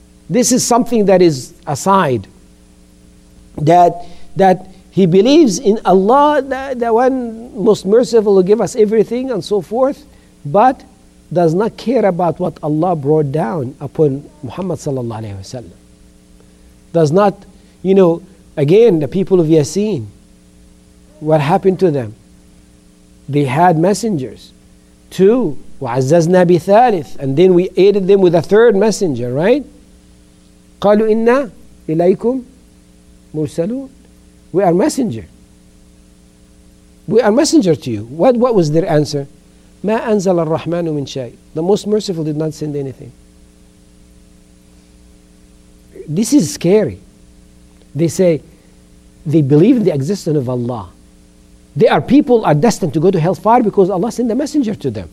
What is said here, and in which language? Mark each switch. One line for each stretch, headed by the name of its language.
English: This is something that is aside. That he believes in Allah, the one most merciful will give us everything and so forth, but does not care about what Allah brought down upon Muhammad sallallahu alaihi wasallam. Does not, you know, again, the people of Yasin, what happened to them? They had messengers. Two,
Arabic: وَعَزَّزْنَا بِثَالِثِ,
English: and then we aided them with a third messenger, right?
Arabic: قَالُوا إِنَّا إِلَيْكُمْ مُرْسَلُونَ.
English: We are messenger. We are messenger to you. What was their answer?
Arabic: مَا أَنزَلَ الرَّحْمَنُ مِنْ شَيْءٍ.
English: The most merciful did not send anything. This is scary. They say, they believe in the existence of Allah. There are people are destined to go to hellfire because Allah sent a messenger to them.